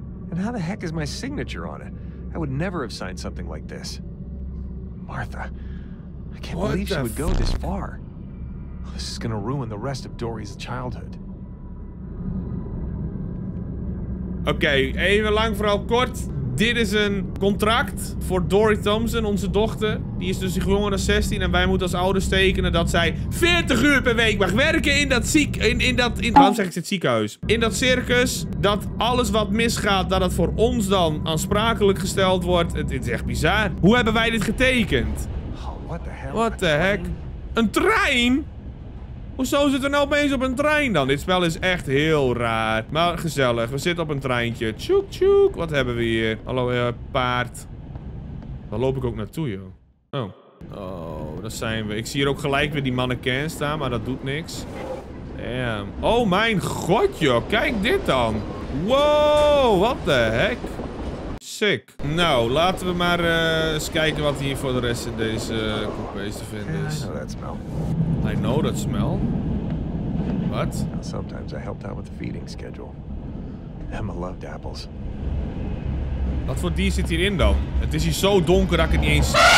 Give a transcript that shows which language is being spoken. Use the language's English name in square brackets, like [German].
[English] And how the heck is my signature on it? I would never have signed something like this. Martha, I can't believe she would go this far. This is gonna ruin the rest of Dory's childhood. [Dutch] Okay, even lang vooral kort. Dit is een contract voor Dory Thompson, onze dochter. Die is dus jonger dan 16 en wij moeten als ouders tekenen dat zij 40 uur per week mag werken in dat ziek... waarom zeg ik dit ziekenhuis? In dat circus, dat alles wat misgaat, dat het voor ons dan aansprakelijk gesteld wordt. Het is echt bizar. Hoe hebben wij dit getekend? [English] Oh, what the hell? What the heck? [Dutch] Een trein? Hoezo zitten we nou opeens op een trein dan? Dit spel is echt heel raar. Maar gezellig, we zitten op een treintje. Tjoek tjoek, wat hebben we hier? Hallo, paard. Waar loop ik ook naartoe, joh? Oh. Oh, daar zijn we. Ik zie hier ook gelijk weer die mannequin staan, maar dat doet niks. Damn. Oh mijn god, joh. Kijk dit dan. [English] Wow, what the heck? Sick. [Dutch] Nou, laten we maar eens kijken wat hier voor de rest in deze coupé te vinden is. [English] Yeah, I know that smell. I know that smell. What? Sometimes I helped out with the feeding schedule. Emma loved apples. [Dutch] Wat voor dier zit hierin dan? Het is hier zo donker dat ik het niet eens...